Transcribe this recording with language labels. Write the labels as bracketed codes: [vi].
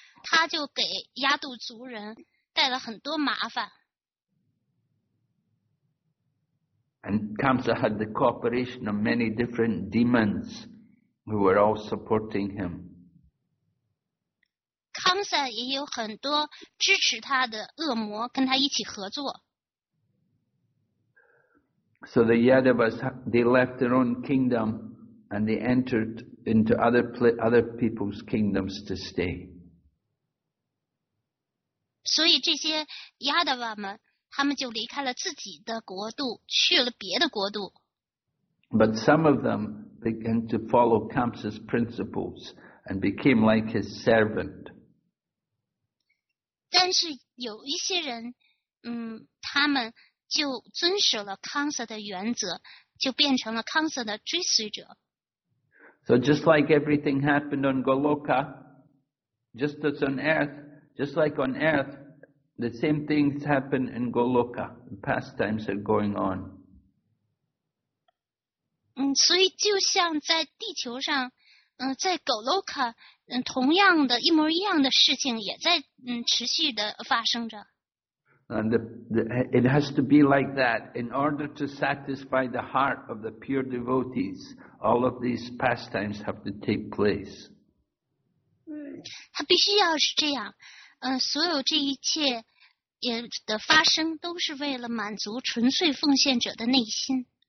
[zh] 他就给亚度族人带了很多麻烦。 [en] And Kamsa had the cooperation of many different demons who were all supporting him. [zh] Kamsa 也有很多支持他的恶魔跟他一起合作。 [en] So the Yadavas, they left their own kingdom and they entered into other people's kingdoms to stay. [zh] 所以这些亚达瓦们，他们就离开了自己的国度，去了别的国度。 [en] But some of them began to follow Kamsa's principles and became like his servant. [zh] 但是有一些人，他们就遵守了康瑟的原则，就变成了康瑟的追随者。 [en] So just like everything happened on Goloka, just as on Earth. Just like on earth, the same things happen in Goloka. The pastimes are going on. [zh] 所以就像在地球上，在 Goloka， 同样的一模一样的事情也在持续的发生着。 [en] And it has to be like that in order to satisfy the heart of the pure devotees. All of these pastimes have to take place. [zh] 它必须要是这样。所有这一切的发生都是为了满足纯粹奉献者的内心。